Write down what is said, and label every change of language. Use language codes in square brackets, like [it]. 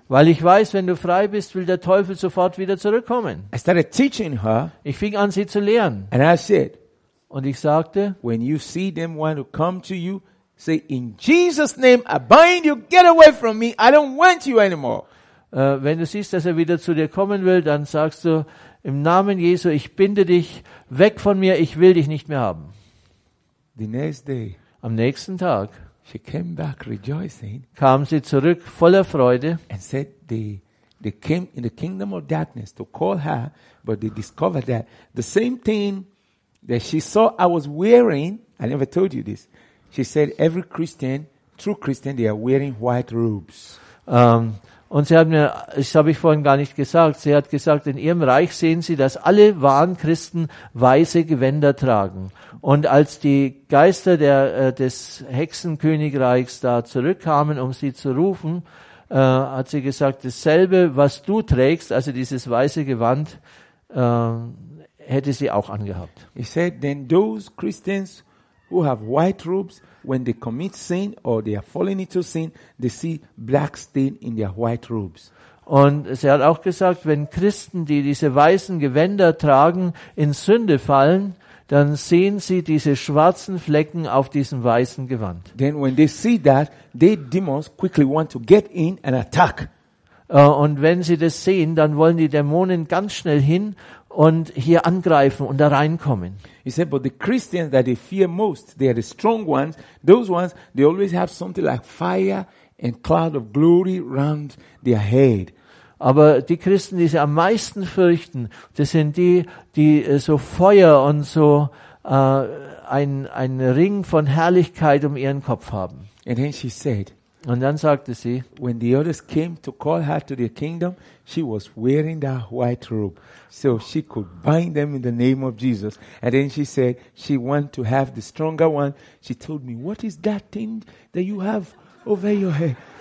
[de] Weil ich weiß, wenn du frei bist, will der Teufel sofort wieder zurückkommen. [en] I started teaching her, [de] ich fing an, sie zu lehren. [en] And I said, [de] und ich sagte, [en] when you see them want to come to you, say, in Jesus' name, I bind you, get away from me, I don't want you anymore. [de] Wenn du siehst, dass er wieder zu dir kommen will, dann sagst du, im Namen Jesu, ich binde dich weg von mir, ich will dich nicht mehr haben. [en] The next day, [de] am nächsten Tag, [en] she came back rejoicing, [de] kam sie zurück voller Freude, [en] and said they came in the kingdom of darkness to call her, but they discovered that the same thing that she saw I was wearing. I never told you this. She said every Christian, true Christian, they are wearing white robes. [de] Und sie hat mir, das habe ich vorhin gar nicht gesagt, sie hat gesagt, in ihrem Reich sehen sie, dass alle wahren Christen weiße Gewänder tragen. Und als die Geister des Hexenkönigreichs da zurückkamen, um sie zu rufen, hat sie gesagt, dasselbe, was du trägst, also dieses weiße Gewand, hätte sie auch angehabt. [en] He said, then those Christians who have white robes, when they commit sin or they are falling into sin, they see black stain in their white robes. [de] Und sie hat auch gesagt, wenn Christen, die diese weißen Gewänder tragen, in Sünde fallen, dann sehen sie diese schwarzen Flecken auf diesem weißen Gewand. [en] Then when they see that, they demons quickly want to get in and attack. [de] Und wenn sie das sehen, dann wollen die Dämonen ganz schnell hin und hier angreifen und da reinkommen. [en] He said, but the Christians that they fear most, they are the strong ones. Those ones, they always have something like fire and cloud of glory round their head. [de] Aber die Christen, die sie am meisten fürchten, das sind die, die so Feuer und so ein Ring von Herrlichkeit um ihren Kopf haben. [en] And then she said, [de] und dann sagte sie, [en] when the others came to call her to their kingdom, she was wearing that white robe, so she could bind them in the name of Jesus. And then she said, she want to have the stronger one. She told me, what is that thing that you have over your head?